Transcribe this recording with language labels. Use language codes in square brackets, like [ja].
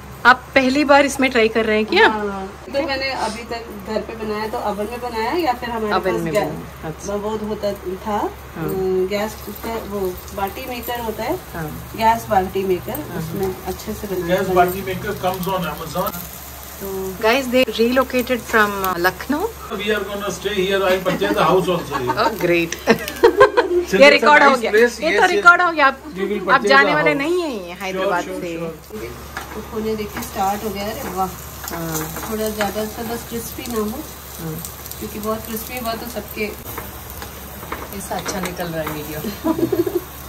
[hi] आप पहली बार इसमें ट्राई कर रहे हैं क्या? तो मैंने अभी तक घर पे बनाया तो अवन में बनाया या फिर हमारे पास गैस अच्छा। वो होता था गैस उसका वो बाटी मेकर होता है हाँ। गैस बाल्टी मेकर उसमें अच्छे से बनाया [en] Guys, they relocated from Lucknow. We are gonna stay here. I purchased the house also. Oh, great. [hi] ये रिकॉर्ड हो गया. ये तो रिकॉर्ड हो गया. आप जाने वाले नहीं हैं हैदराबाद से. तो खोने देखिए स्टार्ट हो गया है. वाह. थोड़ा ज्यादा सा बस क्रिस्पी ना हो. क्योंकि बहुत क्रिस्पी हुआ तो सबके इससे अच्छा निकल रहा है वीडियो।